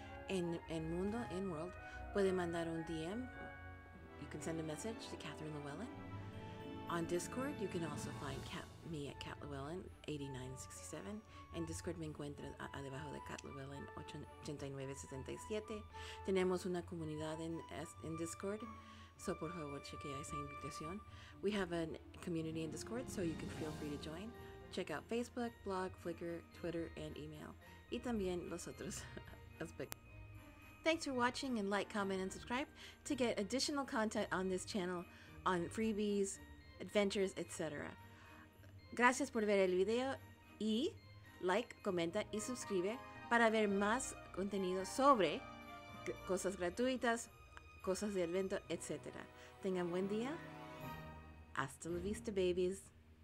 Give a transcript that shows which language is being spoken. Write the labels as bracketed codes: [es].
[es] En Mundo, en World, puede mandar un DM. [en] You can send a message to Katheryn Llewellyn. On Discord, you can also find me at Kat Llewellyn, 8967. [es] En Discord me encuentro debajo de Kat Llewellyn, 8967. Tenemos una comunidad en Discord. So por favor, chequea esa invitación. [en] We have a community in Discord, so you can feel free to join. Check out Facebook, blog, Flickr, Twitter, and email. [es] Y también los otros aspectos. [en] Thanks for watching, and like, comment, and subscribe to get additional content on this channel on freebies, adventures, etc. [es] Gracias por ver el video y like, comenta y suscribe para ver más contenido sobre cosas gratuitas, cosas de evento, etc. Tengan buen día. Hasta la vista, babies.